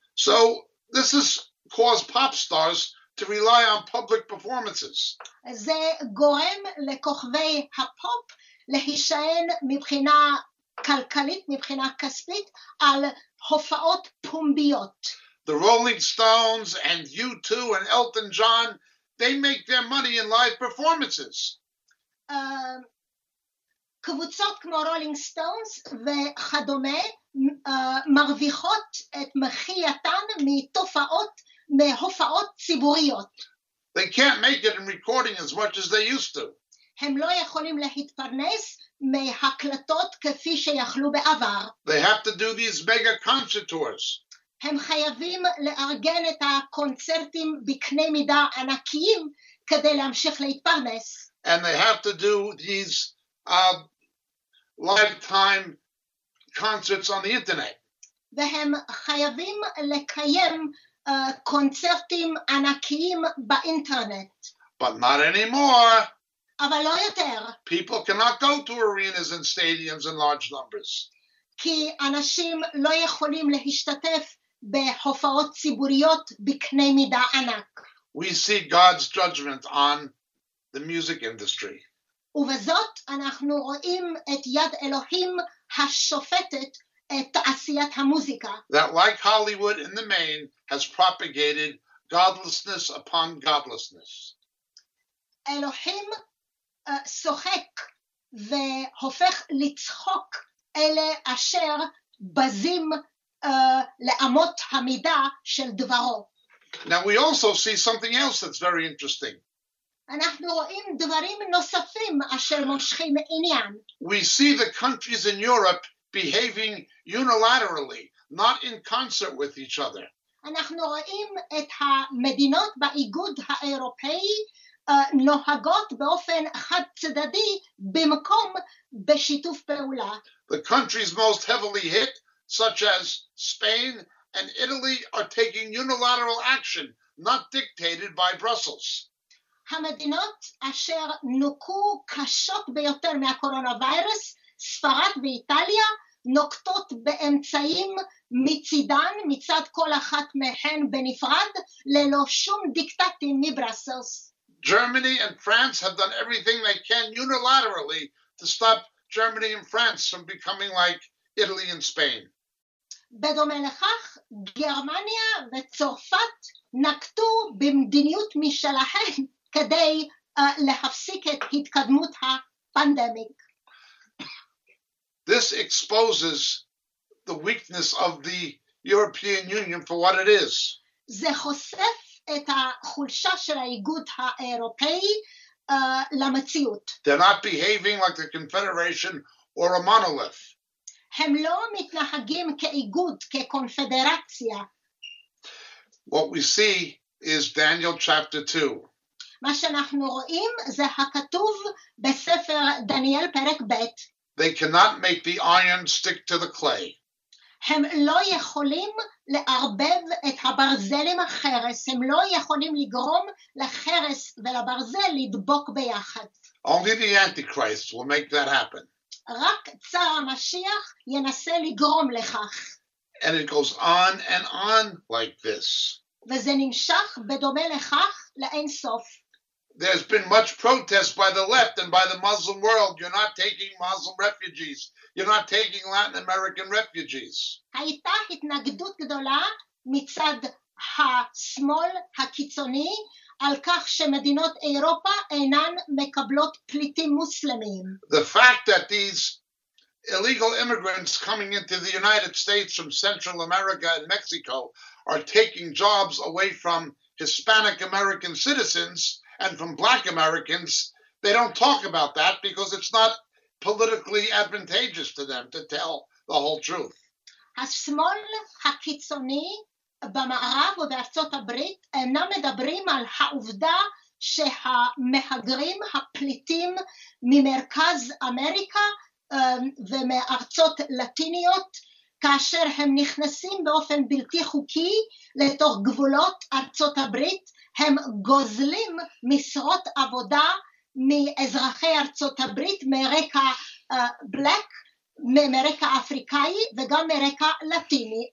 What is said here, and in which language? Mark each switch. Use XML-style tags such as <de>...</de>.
<en>So this has caused pop stars to rely on public performances.</en> <he>זה גורם לכוכבי הפופ להישען מבחינה כלכלית, מבחינה כספית, על הופעות פומביות.</he> <en>The Rolling Stones and U2 and Elton John, they make their money in live performances.</en> <he>קבוצות כמו Rolling Stones וכדומה מרוויחות את מחייתן מהופעות ציבוריות.</he> <en>They can't make it in recording as much as they used to.</en> <he>הם לא יכולים להתפרנס מהקלטות כפי שיכלו בעבר.</he> <en>They have to do these mega concert tours.</en> <he>הם חייבים לארגן את הקונצרטים בקנה מידה ענקיים כדי להמשיך להתפרנס.</he> <en>And they have to do these lifetime concerts on the internet.</en> <he>והם חייבים לקיים קונצרטים ענקיים באינטרנט.</he> <en>But not anymore.</en> <he>אבל לא יותר.</he> <en>People cannot go to arenas and stadiums in large numbers.</en> <he>כי אנשים לא יכולים להשתתף בהופעות ציבוריות בקנה מידה ענק.</he> <en>We see God's judgment on the music industry.</en> <he>ובזאת אנחנו רואים את יד אלוהים השופטת את תעשיית המוזיקה.</he> <en>That like Hollywood in the main has propagated godlessness upon godlessness.</en> <he>אלוהים שוחק והופך לצחוק אלה אשר בזים לאמות המידה של דברו.</he> <en>Now we also see something else that's very interesting.</en> <he>אנחנו רואים דברים נוספים אשר מושכים עניין.</he> <en>We see the countries in Europe behaving unilaterally, not in concert with each other.</en> <he>אנחנו רואים את המדינות באיגוד האירופאי נוהגות באופן חד צדדי במקום בשיתוף פעולה.</he> <en>The countries most heavily hit, such as Spain and Italy, are taking unilateral action, not dictated by Brussels.</en> <he>המדינות אשר נוקו קשות ביותר מהקורונה וירוס, ספרד ואיטליה, נוקטות באמצעים מצידן, מצד כל אחת מהן בנפרד, ללא שום דיקטטים מברסלס.</he> <en>Germany and France have done everything they can unilaterally to stop Germany and France from becoming like Italy and Spain.</en> <he>בדומה לכך, גרמניה וצרפת נקטו במדיניות משלהן כדי להפסיק את התקדמות הפנדמיק.</he> <en>This exposes the weakness of the European Union for what it is.</en> <he>זה חושף את החולשה של האיגוד האירופאי למציאות.</he> <en>They're not behaving like the confederation or a monolith.</en> <he>הם לא מתנהגים כאיגוד, כקונפדרציה.</he> <en>What we see is Daniel chapter 2.</en> <he>מה שאנחנו רואים זה הכתוב בספר דניאל פרק ב'.</he> <en>They cannot make the iron stick to the clay.</en> <he>הם לא יכולים לערבב את הברזל עם החרס, הם לא יכולים לגרום לחרס ולברזל לדבוק ביחד.</he> <en>Only the Antichrist will make that happen.</en> <he>רק צר המשיח ינסה לגרום לכך.</he> <en>And it goes on and on like this.</en> <he>וזה נמשך בדומה לכך לאין סוף.</he> <en>There's been much protest by the left and by the Muslim world. You're not taking Muslim refugees. You're not taking Latin American refugees.</en> <he>הייתה התנגדות גדולה מצד השמאל הקיצוני על כך שמדינות אירופה אינן מקבלות פליטים מוסלמים.</he> <en>The fact that these illegal immigrants coming into the United States from Central America and Mexico are taking jobs away from Hispanic American citizens and from black Americans, they don't talk about that because it's not politically advantageous to them to tell the whole truth.</en> <he>השמאל הקיצוני במערב או בארצות הברית אינם מדברים על העובדה שהמהגרים הפליטים ממרכז אמריקה ומארצות לטיניות, כאשר הם נכנסים באופן בלתי חוקי לתוך גבולות ארצות הברית, הם גוזלים משרות עבודה מאזרחי ארצות הברית מרקע בלק, מרקע אפריקאי וגם מרקע לטיני.</he>